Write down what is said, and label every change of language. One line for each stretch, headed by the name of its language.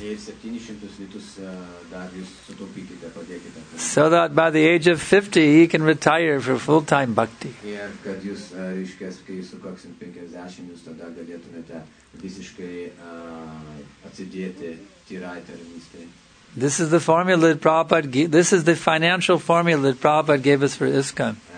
Lithuanian: Ir 700 litus dar jūs sutaupykite, padėkite.
English: So that by the age of 50 he can retire for full-time bhakti.
Lithuanian: Ir kad jūs, reiškia, kai jūs sukaksim 50, jūs tada galėtumėte visiškai atsidėti tirai tarnystei.
English: This is the formula that Prabhupada this is the financial formula that Prabhupada gave us for ISKCON.